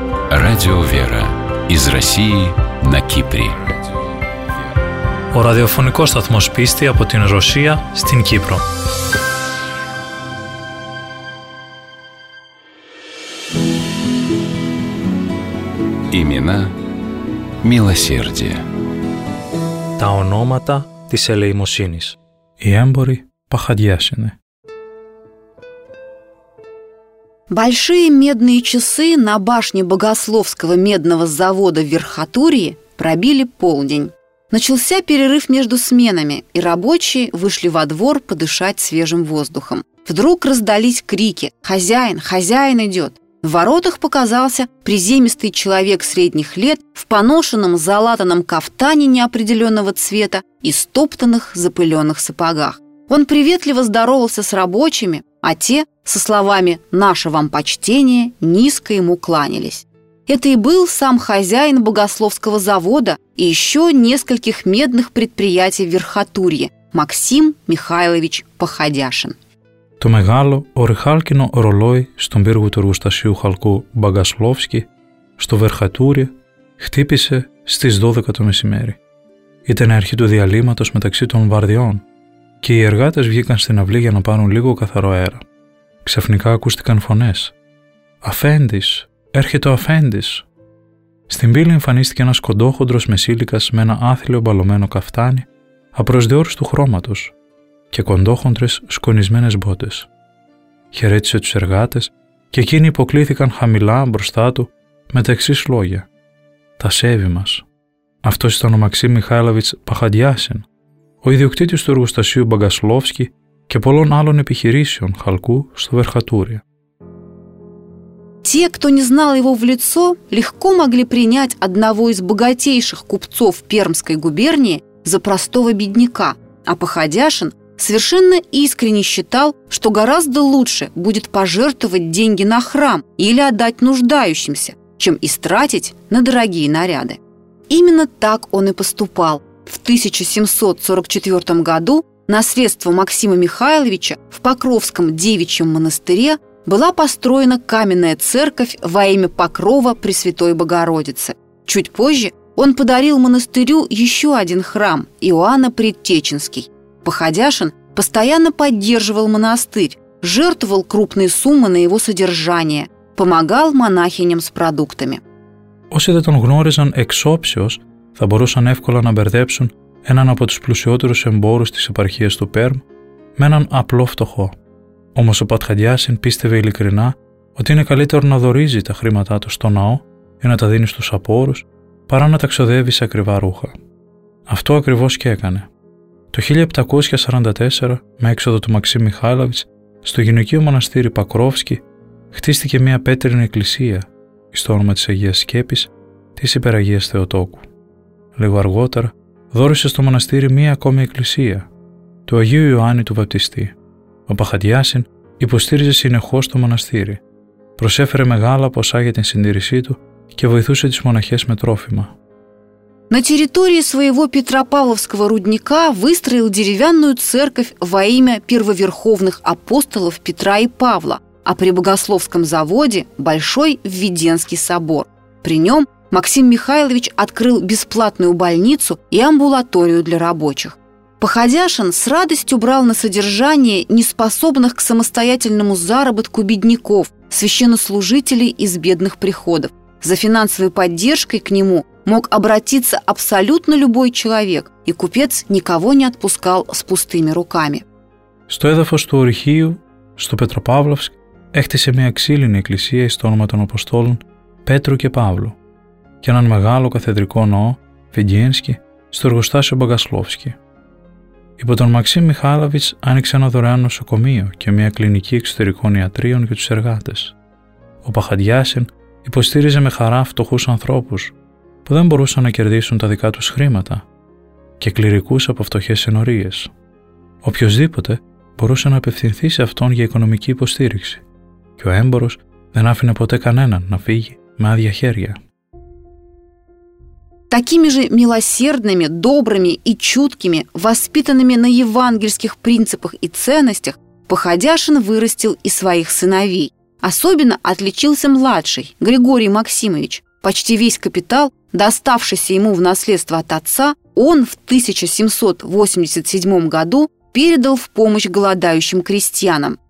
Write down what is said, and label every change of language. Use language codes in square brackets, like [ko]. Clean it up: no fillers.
[ru] Радио Вера из России на Кипре. [el] О радиофонико сатмос писти από την Ρωσία στην Κύπρο. [ru] Имена милосердия. [el] Τα ονόματα της ελεημοσύνης. Οι έμποροι παχαδιάσινε. [ru] Большие медные часы на башне Богословского медного завода в Верхотурье пробили полдень. Начался перерыв между сменами, и рабочие вышли во двор подышать свежим воздухом. Вдруг раздались крики: «Хозяин! Хозяин идет!» В воротах показался приземистый человек средних лет в поношенном залатанном кафтане неопределенного цвета и стоптанных запыленных сапогах. Он приветливо здоровался с рабочими, а те со словами «наше вам почтение» низко ему кланялись. Это и был сам хозяин Богословского завода и еще нескольких медных предприятий в Верхотурье – Максим Михайлович Походяшин. [el] Το μεγάλο ορυχάλκινο ρολόι στον πύργο του εργοστασίου χαλκού Μπαγκασλόφσκι στο Βερχατούρι χτύπησε στις 12 το μεσημέρι. Ήταν η αρχή του διαλύματος μεταξύ των βαρδιών και οι εργάτες βγήκαν στην αυλή για να πάρουν λίγο καθαρό αέρα. Ξαφνικά ακούστηκαν φωνές. «Αφέντης! Έρχεται ο αφέντης!» Στην πύλη εμφανίστηκε ένας κοντόχοντρος μεσήλικας με ένα άθλιο μπαλωμένο καφτάνι απροσδιόριστου χρώματος και κοντόχοντρες σκονισμένες μπότες. Χαιρέτησε τους εργάτες και εκείνοι υποκλήθηκαν χαμηλά μπροστά του με τα εξής λόγια: «Τα σέβη μας». Αυτός ήταν ο Μαξίμ Μιχάλοβιτς Παχαντιάσιν, ο ιδιοκτήτης του εργοστασίου Μπαγκασλόφσκι και πολλών άλλων επιχειρήσεων χαλκού στο Βερχατούρι. [ru] Те, кто не знал его в лицо, легко могли принять одного из богатейших купцов Пермской губернии за простого бедняка, а Походяшин совершенно искренне считал, что гораздо лучше будет пожертвовать деньги на храм или отдать нуждающимся, чем истратить на дорогие наряды. Именно так он и поступал. В 1744 году на средства Максима Михайловича в Покровском девичьем монастыре была построена каменная церковь во имя Покрова Пресвятой Богородицы. Чуть позже он подарил монастырю еще один храм – Иоанна Предтеченский. Походяшин постоянно поддерживал монастырь, жертвовал крупные суммы на его содержание, помогал монахиням с продуктами. [el] Όσοι δεν τον γνώριζαν εξόψεως, θα μπορούσαν εύκολα να μπερδέψουν έναν από τους πλουσιότερους εμπόρους της επαρχίας του Πέρμ με έναν απλό φτωχό. Όμως ο Παχαντιάσιν πίστευε ειλικρινά ότι είναι καλύτερο να δωρίζει τα χρήματά του στο ναό ή να τα δίνει στους απόρους παρά να τα ξοδεύει σε ακριβά ρούχα. Αυτό ακριβώς και έκανε. Το 1744, με έξοδο του Μαξίμ Μιχάλοβιτς, στο γυναικείο μοναστήρι Πακρόφσκι χτίστηκε μια πέτρινη εκκλησία στο όνομα της Αγίας Σκέπης της Υπεραγίας Θεοτόκου. Λίγο αργότερα δώρησε στο μοναστήρι μια ακόμη εκκλησία του Αγίου Ιωάννη του Βαπτιστή. Ο Παχαντιάσιν υποστήριζε συνεχώς το μοναστήρι, προσέφερε μεγάλα ποσά για την συντήρησή του και βοηθούσε τις μοναχές με τρόφιμα. [ru] На территории своего Петропавловского рудника выстроил деревянную церковь во имя первоверховных апостолов Петра и Павла, а при Богословском заводе – Большой Введенский собор. При нем Максим Михайлович открыл бесплатную больницу и амбулаторию для рабочих. Походяшин с радостью брал на содержание неспособных к самостоятельному заработку бедняков, священнослужителей из бедных приходов. За финансовой поддержкой к нему мог обратиться абсолютно любой человек, и купец никого не отпускал с пустыми руками. [el] Στο έδαφος του ορυχείου, στο Πετροπαύλωσκ, έχτισε μια ξύλινη εκκλησία στο όνομα των Αποστόλων Πέτρου και Παύλου και έναν μεγάλο καθεδρικό ναό, Βεντιένσκι, στο εργοστάσιο Μπαγκασλόφσκι. Υπό τον Μαξίμ Μιχάλοβιτς άνοιξε ένα δωρεάν νοσοκομείο και μια κλινική εξωτερικών ιατρίων για τους εργάτες. Ο Παχαντιάσιν υποστήριζε με χαρά φτωχούς ανθρώπους που δεν μπορούσαν να κερδίσουν τα δικά τους χρήματα και κληρικούς από φτωχές συνορίες. Οποιοδήποτε μπορούσε να απευθυνθεί σε αυτόν για οικονομική υποστήριξη και ο έμπορος δεν άφηνε ποτέ κανέναν να φύγει με άδεια χέρια. [ru] Такими же милосердными, добрыми и чуткими, воспитанными на евангельских принципах и ценностях, Походяшин вырастил и своих сыновей. Особенно отличился младший, Григорий Максимович, почти весь капитал, доставшийся ему в наследство от отца, он в 1787 году передал в помощь голодающим крестьянам.